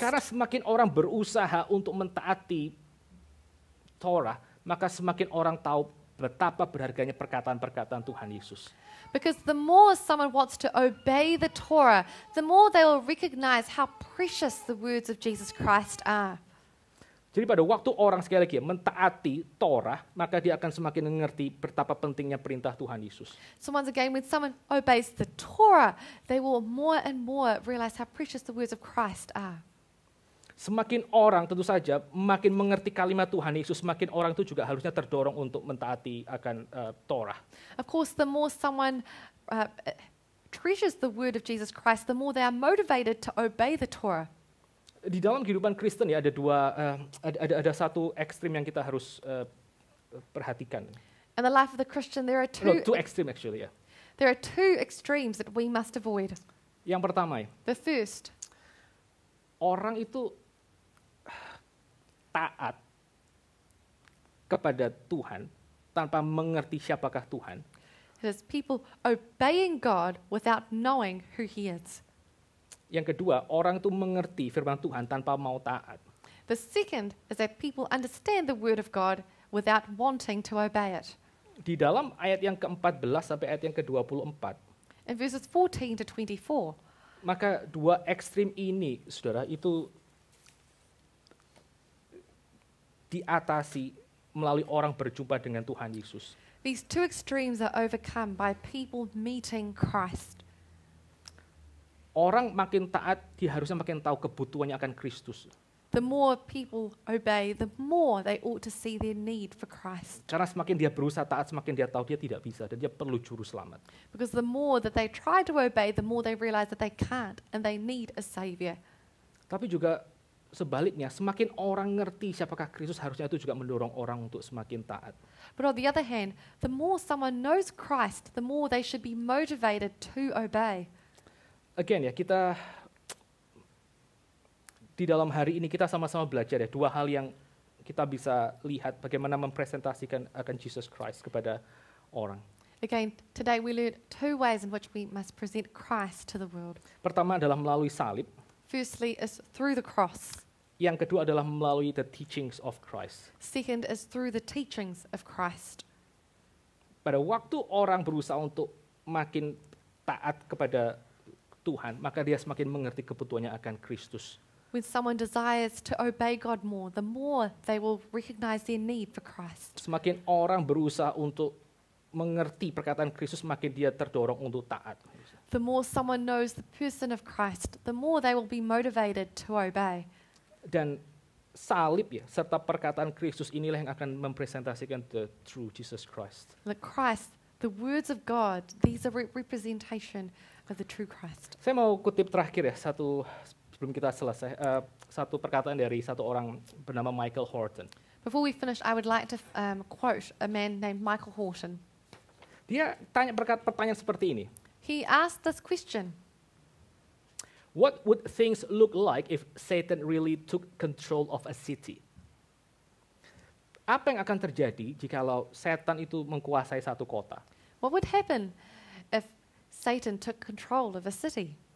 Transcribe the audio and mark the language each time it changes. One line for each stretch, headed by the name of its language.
Indonesian: Karena semakin orang berusaha untuk mentaati Torah, maka semakin orang tahu betapa berharganya perkataan-perkataan Tuhan Yesus.
English: Because the more someone wants to obey the Torah, the more they will recognize how precious the words of Jesus Christ are.
Indonesian: Jadi pada waktu orang sekali lagi mentaati Torah, maka dia akan semakin mengerti betapa pentingnya perintah Tuhan Yesus.
English: So once again, when someone obeys the Torah, they will more and more realize how precious the words of Christ are.
Indonesian: Semakin orang tentu saja makin mengerti kalimat Tuhan Yesus, makin orang itu juga harusnya terdorong untuk mentaati akan Torah.
English: Of course, the more someone treasures the word of Jesus Christ, the more they are motivated to obey the Torah.
Indonesian: Di dalam kehidupan Kristen ya ada dua ada satu ekstrem yang kita harus perhatikan.
English: In the life of the Christian there are two extremes actually. Yeah. There are two extremes that we must avoid.
Indonesian: Yang pertama ya.
English: The first.
Indonesian: Orang itu taat kepada Tuhan tanpa mengerti siapakah Tuhan.
English: It is people obeying God without knowing who he is.
Indonesian: Yang kedua, orang itu mengerti firman Tuhan tanpa mau taat.
English: The second is that people understand the word of God without wanting to obey it.
Indonesian: Di dalam ayat yang ke-14 sampai ayat yang ke-24.
English: In verses 14 to 24.
Indonesian: Maka dua ekstrem ini, saudara, itu diatasi melalui orang berjumpa dengan Tuhan Yesus.
English: These two extremes are overcome by people meeting Christ.
Indonesian: Orang makin taat, dia harusnya makin tahu kebutuhannya akan Kristus.
English: The more people obey, the more they ought to see their need for Christ.
Indonesian: Karena semakin dia berusaha taat, semakin dia tahu dia tidak bisa dan dia perlu juru selamat.
English: Because the more that they try to obey, the more they realize that they can't and they need a savior.
Indonesian: Tapi juga sebaliknya, semakin orang ngerti siapakah Kristus, harusnya itu juga mendorong orang untuk semakin taat.
English: But on the other hand, the more someone knows Christ, the more they should be motivated to obey. Again
Indonesian: ya, kita di dalam hari ini kita sama-sama belajar ya dua hal yang kita bisa lihat bagaimana mempresentasikan akan Jesus Christ kepada orang.
English: Again, today we learned two ways in which we must present Christ to the world.
Indonesian: Pertama adalah melalui salib.
English: Firstly is through the cross.
Indonesian: Yang kedua adalah melalui
English: the teachings of Christ. Second is through the teachings of Christ.
Indonesian: Pada waktu orang berusaha untuk makin taat kepada Tuhan, maka dia semakin mengerti kebutuhannya akan Kristus.
English: When someone desires to obey God more, the more they will recognize their need for Christ.
Indonesian: Semakin orang berusaha untuk mengerti perkataan Kristus, makin dia terdorong untuk taat.
English: The more someone knows the person of Christ, the more they will be motivated to obey.
Indonesian: Dan salib ya, serta perkataan Kristus inilah yang akan mempresentasikan
English: the true Jesus Christ. The Christ, the words of God, these are representation of the true Christ.
Indonesian: Saya mau kutip terakhir ya, satu sebelum kita selesai, satu perkataan dari satu orang bernama Michael Horton.
English: Before we finish, I would like to quote a man named Michael Horton.
Indonesian: Dia tanya pertanyaan seperti ini.
English: He asked this question. What would things look like if Satan really took control of a city?
Indonesian: Apa yang akan terjadi jikalau setan itu menguasai satu kota?
English: What would happen if Satan took control of a city?